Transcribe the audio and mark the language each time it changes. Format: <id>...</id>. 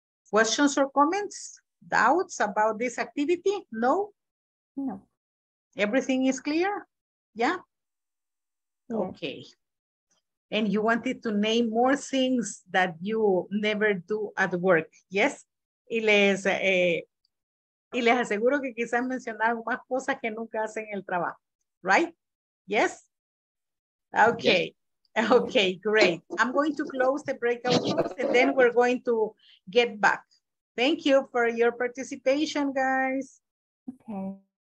<en>Questions or comments? Doubts about this activity? No? No. Everything is clear? Yeah? Okay. And you wanted to name more things that you never do at work. Yes?</en> <es>Y les aseguro que quizás mencionar más cosas que nunca hacen en el trabajo.</es> <en>Right? Yes? Okay. Yes. Okay, great. I'm going to close the breakout rooms and then we're going to get back. Thank you for your participation, guys. Okay.</en>